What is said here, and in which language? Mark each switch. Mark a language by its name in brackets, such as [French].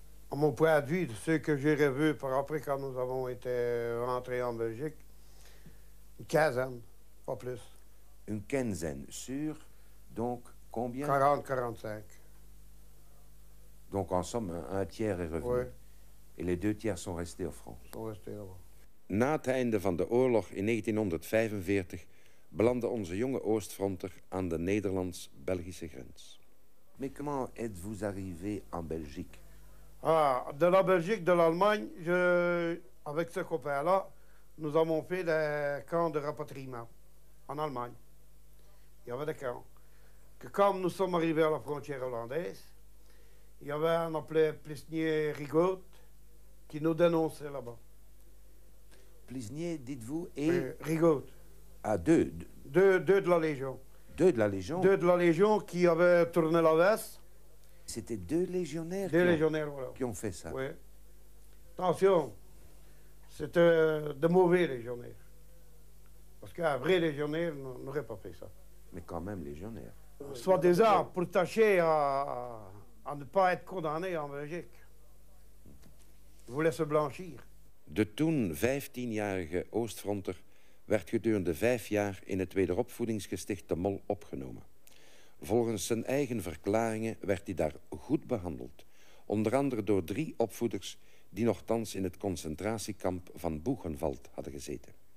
[French] À mon point de vue, de ceux que j'ai revus par après, quand nous avons été rentrés en Belgique, une quinzaine, pas plus. Une quinzaine sur, donc, combien? 40-45. Donc, en somme, un tiers est revenu. Oui. Et les deux tiers sont restés au front. Sont restés là-bas. [Dutch] Na het einde van de oorlog in 1945 belandde onze jonge Oostfronter aan de Nederlands-Belgische grens. [French] Mais comment êtes-vous arrivé en Belgique? Ah, de la Belgique, de l'Allemagne, avec ce copain-là, nous avons fait des camps de rapatriement en Allemagne. Il y avait des camps. Que comme nous sommes arrivés à la frontière hollandaise, il y avait un appelé Plisnier Rigaud qui nous dénonçait là-bas. Plisnier, dites-vous, et... Rigaud. Ah, deux. Deux de la Légion. Deux de la Légion? Deux de la Légion qui avaient tourné la veste. C'était deux légionnaires, qui ont fait ça. Oui. Attention, c'était de mauvais légionnaires. Parce qu'un vrai légionnaire n'aurait pas fait ça. Mais quand même légionnaire. Soit des arts pour tâcher à ne pas être condamné en Belgique. Ils voulaient se blanchir. [Dutch] De toen 15-jarige Oostfronter werd gedurende 5 jaar in het wederopvoedingsgesticht de Mol opgenomen. Volgens zijn eigen verklaringen werd hij daar goed behandeld. Onder andere door 3 opvoeders die nogthans in het concentratiekamp van Buchenwald hadden gezeten.